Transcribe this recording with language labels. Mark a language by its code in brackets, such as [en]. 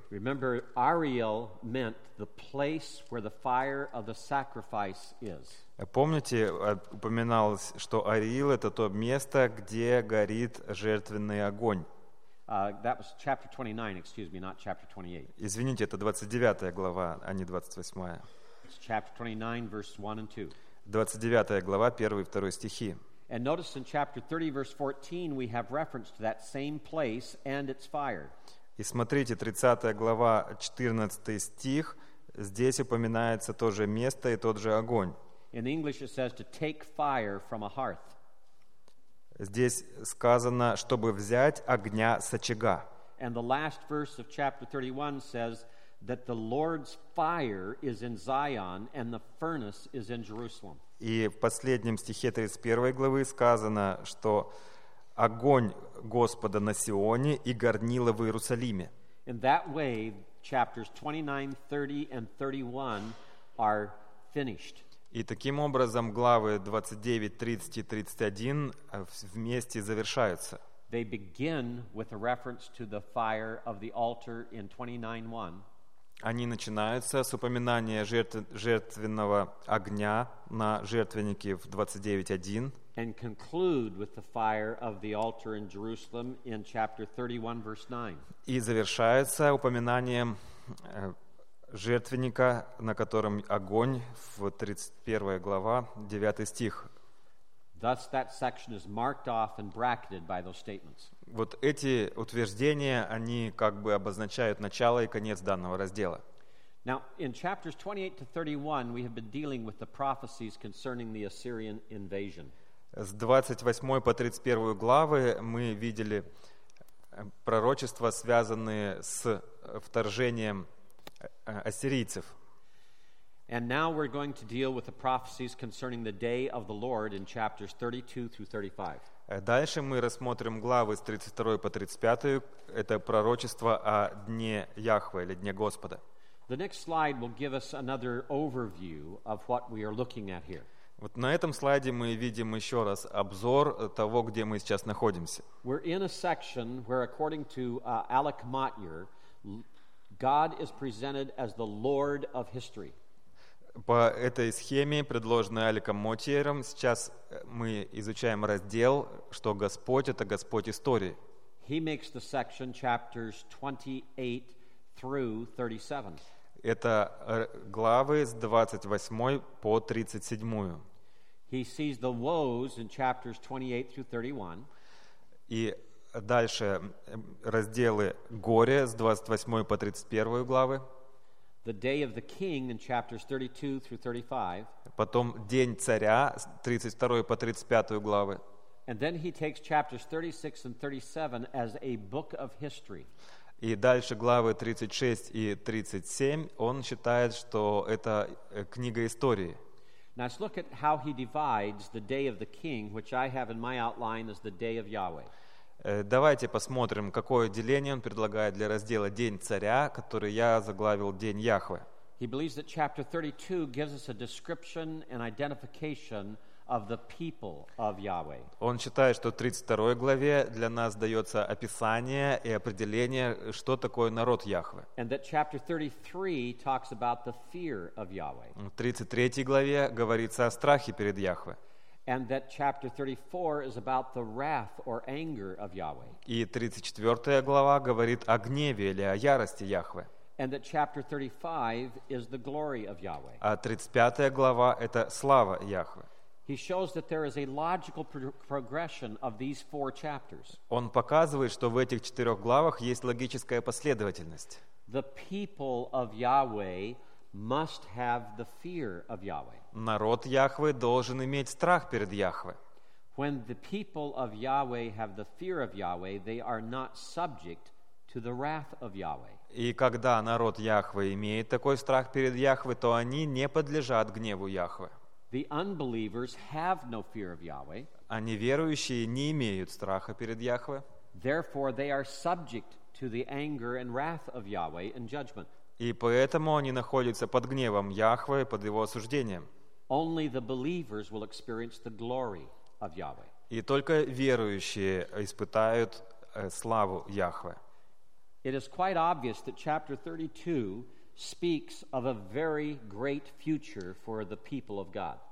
[en] Remember, Ariel meant the place where the fire of the sacrifice is. [ru] Помните, упоминалось, что Ариэл это то место, где горит жертвенный огонь. [en] That was chapter 29, excuse me, not chapter 28. [ru] Извините, это 29 глава, а не 28. [en] It's chapter 29, verse 1 and 2. [ru] 29 глава, 1 и 2 стихи. [en] And notice in chapter 30, verse 14, we have reference to that same place and its fire. [ru] И смотрите, 30 глава, 14 стих, здесь упоминается то же место и тот же огонь. [en] In English it says to take fire from a hearth. [ru] Здесь сказано, чтобы взять огня с очага. [en] And the last verse of chapter 31 says that the Lord's fire is in Zion and the furnace is in Jerusalem. [ru] И в последнем стихе 31 главы сказано, что огонь Господа на Сионе и горнило в Иерусалиме. [en] In that way, chapters 29, 30, and 31 are finished. [ru] И таким образом главы 29, 30 и 31 вместе завершаются. [en] They begin with a reference to the fire of the altar in 29:1. [ru] Они начинаются с упоминания жертвенного огня на жертвеннике в 29:1. [en] And conclude with the fire of the altar in Jerusalem in chapter 31, verse 9. [ru] И завершаются упоминанием жертвенника, на котором огонь, в 31 глава, 9 стих. [en] Thus that section is marked off and bracketed by those statements. [ru] Вот эти утверждения, они как бы обозначают начало и конец данного раздела. [en] Now, in chapters 28 to 31, we have been dealing with the prophecies concerning the Assyrian invasion. [ru] С 28 по 31 главы мы видели пророчества, связанные с вторжением ассирийцев. [en] And now we're going to deal with the prophecies concerning the day of the Lord in chapters 32 through 35. [ru] Дальше мы рассмотрим главы с 32 по 35. Это пророчество о дне Яхве или дне Господа. [en] The next slide will give us another overview of what we are looking at here. [ru] Вот на этом слайде мы видим еще раз обзор того, где мы сейчас находимся. [en] We're in a section where, according to Alec Motyer, God is presented as the Lord of history. [ru] По этой схеме, предложенной Аликом Мотиером, сейчас мы изучаем раздел, что Господь — это Господь истории. [en] He makes the section chapters 28 through 37. [ru] Это главы с 28 по 37. [en] He sees the woes in chapters 28 through 31. [ru] И дальше разделы горе с 28 по 31 главы. [en] The day of the king in chapters 32 through 35. [ru] Потом день царя, 32 по 35 главы. [en] And then he takes chapters 36 and 37 as a book of history. [ru] И дальше главы 36 и 37, он считает, что это книга истории. [en] Now let's look at how he divides the day of the king, which I have in my outline as the day of Yahweh. [ru] Давайте посмотрим, какое деление он предлагает для раздела «День царя», который я заглавил «День Яхве». [en] He believes that chapter 32 gives us a description and identification of the people of Yahweh. [ru] Он считает, что в 32 главе для нас дается описание и определение, что такое народ Яхве. [en] And that chapter 33 talks about the fear of Yahweh. [ru] В 33 главе говорится о страхе перед Яхве. [en] And that chapter 34 is about the wrath or anger of Yahweh. [ru] И 34 глава говорит о гневе или о ярости Яхве. [en] And that chapter 35 is the glory of Yahweh. [ru] А 35 глава — это слава Яхве. [en] He shows that there is a logical progression of these four chapters. [ru] Он показывает, что в этих четырех главах есть логическая последовательность. [en] The people of Yahweh must have the fear of Yahweh. [ru] Народ Яхве должен иметь страх перед Яхве. [en] When the people of Yahweh have the fear of Yahweh, they are not subject to the wrath of Yahweh. [ru] И когда народ Яхве имеет такой страх перед Яхве, то они не подлежат гневу Яхве. [en] The unbelievers have no fear of Yahweh. [ru] А неверующие не имеют страха перед Яхве. [en] Therefore, they are subject to the anger and wrath of Yahweh in judgment. [ru] И поэтому они находятся под гневом Яхве, под его осуждением. [en] Only the believers will experience the glory of Yahweh. [ru] И только верующие испытают славу Яхве. [en] It is quite obvious that chapter 32 speaks of a very great future for the people of God.